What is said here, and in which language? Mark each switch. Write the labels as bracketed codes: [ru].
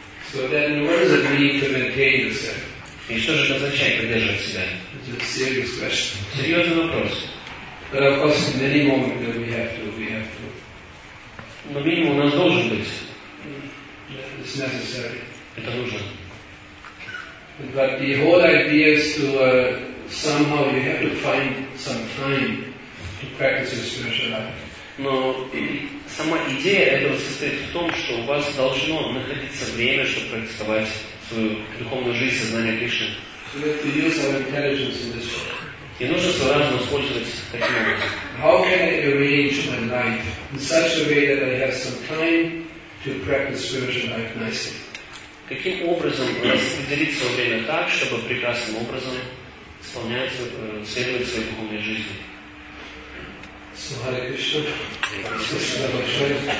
[en] So then, what does it mean to maintain yourself? [ru] И что же означает поддерживать себя? [en] It's a serious question. [ru] Серьезный вопрос. [en] But of course, in any moment that we have to. [ru] Но минимум у нас должен быть. [en] It's necessary. [ru] Это нужно. [en] But the whole idea is to somehow you have to find some time to practice your spiritual life. [ru] Но сама идея этого состоит в том, что у вас должно находиться время, чтобы практиковать свою духовную жизнь, сознание Кришны. [en] So we have to use our intelligence in this way. [ru] И нужно сразу использовать таким образом. [en] How can I arrange my life in such a way that I have some time to practice spiritual life nicely? [ru] Каким образом распределить свое время так, чтобы прекрасным образом исполнять, следовать своей духовной жизни?